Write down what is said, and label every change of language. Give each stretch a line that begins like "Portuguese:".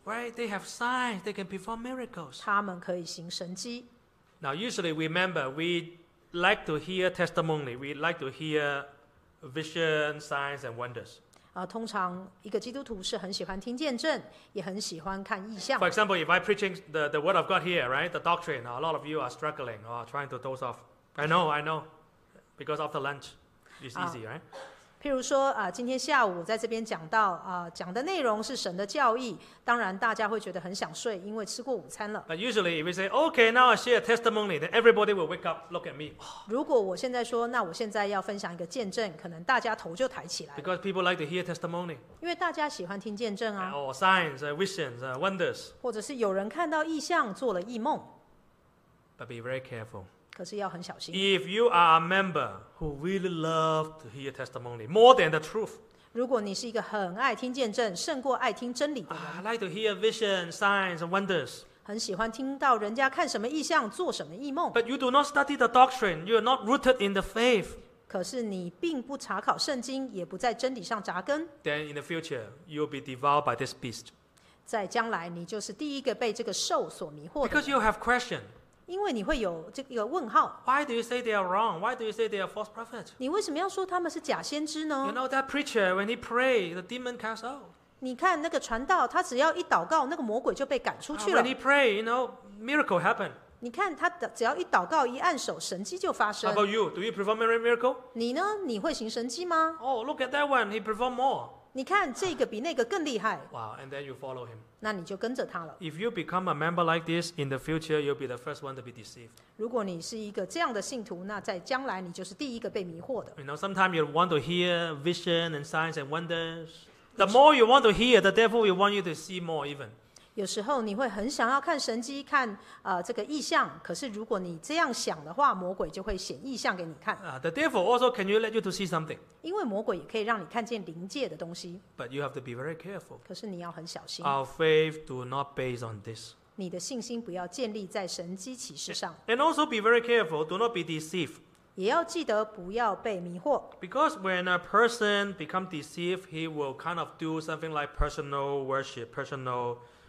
English: Right, they have signs. They can perform miracles.
Chinese: 他们可以行神迹。
English: Now, usually, remember, we like to hear testimony. We like to hear vision, signs, and wonders.
Chinese: 通常一个基督徒是很喜欢听见证，也很喜欢看异象。
English: For example, if I preaching the word of God here, right, the doctrine, a lot of you are struggling or trying to doze off. I know, because after lunch, it's easy, right?
Chinese: 譬如说，今天下午在这边讲到，讲的内容是神的教义，当然大家会觉得很想睡，因为吃过午餐了。
English: But usually, if we say, okay, now I share a testimony, then everybody will wake up, look at me.
Chinese: 如果我现在说，那我现在要分享一个见证，可能大家头就抬起来。
English: Because people like to hear testimony.
Chinese: 因为大家喜欢听见证啊。
English: Or signs, visions, wonders.
Chinese: 或者是有人看到异象，做了异梦。
English: But be very careful.
Chinese: 可是要很小心。
English: If you are a member who really love to hear testimony more than the truth,
Chinese: 如果你是一个很爱听见证，胜过爱听真理的人。
English: I like to hear vision, signs, and wonders.
Chinese: 很喜欢听到人家看什么异象，做什么异梦。
English: But you do not study the doctrine. You are not rooted in the faith.
Chinese: 可是你并不查考圣经，也不在真理上扎根。
English: Then in the future, you will be devoured by this beast.
Chinese: 在将来，你就是第一个被这个兽所迷惑的。
English: Because you have question.
Chinese: 因为你会有这个问号。
English: Why do you say they are wrong? Why do you say they are false prophets?
Chinese: 你为什么要说他们是假先知呢？
English: You know that preacher when he pray, the demon cast out.
Chinese: 你看那个传道，他只要一祷告，那个魔鬼就被赶出去了。
English: When he pray, you know, miracle happen.
Chinese: 你看他只要一祷告，一按手，神迹就发生。
English: How about you? Do you perform a miracle?
Chinese: 你呢？你会行神迹吗？
English: Oh, look at that one. He perform more.
Chinese: 你看这个比那个更厉害。
English: Wow, and then you follow him.
Chinese: 那你就跟着他了。
English: If you become a member like this, in the future, you'll be the first one to be deceived.
Chinese: 如果你是一个这样的信徒，那在将来你就是第一个被迷惑的。
English: You know, sometimes you want to hear vision and signs and wonders. The more you want to hear, the devil will want you to see more even.
Chinese: 有时候你会很想要看神迹，看这个异象。可是如果你这样想的话，魔鬼就会显异象给你看。
English: The devil also can you let you to see something?
Chinese: 因为魔鬼也可以让你看见灵界的东西。
English: But you have to be very careful.
Chinese: 可是你要很小心。
English: Our faith do not base on this.
Chinese: 你的信心不要建立在神迹启示上。
English: And also be very careful, do not be deceived.
Chinese: 也要记得不要被迷惑。
English: Because when a person become deceived, he will kind of do something like personal worship, personal...